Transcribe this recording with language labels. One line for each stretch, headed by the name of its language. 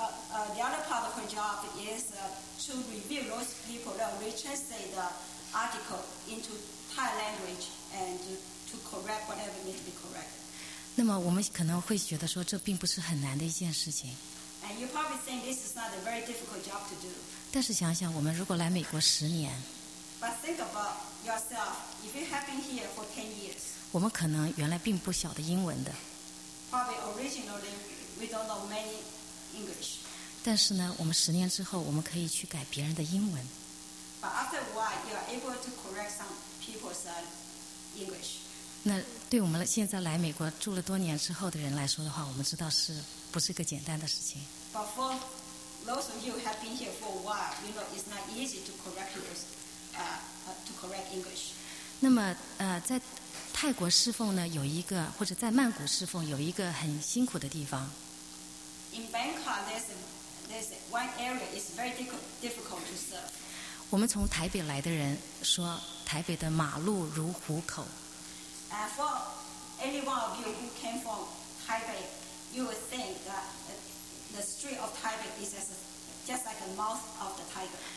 English: And the other part of her job is to review those people that retranslate the article into Thai language and to correct whatever needs to be corrected.
Chinese: 那么我们可能会觉得说这并不是很难的一件事情。
English: And you probably think this is not a very difficult job to do.
Chinese: 但是想想我们如果来美国十年。
English: But think about yourself, if you have been here for 10 years.
Chinese: 我们可能原来并不晓得英文的。
English: Probably originally we don't know many English.
Chinese: 但是呢，我们十年之后，我们可以去改别人的英文。
English: But after a while, you are able to correct some people's English.
Chinese: 那对我们现在来美国住了多年之后的人来说的话，我们知道是不是一个简单的事情。
English: But for those of you who have been here for a while, you know it's not easy to correct yourself. To correct English.
Chinese: 那么在泰国侍奉呢，有一个或者在曼谷侍奉有一个很辛苦的地方。
English: In Bangkok, there's one area is very difficult to serve.
Chinese: 我们从台北来的人说，台北的马路如虎口。
English: For anyone of you who came from Taipei, you would think that the street of Taipei is just like the mouth of the tiger.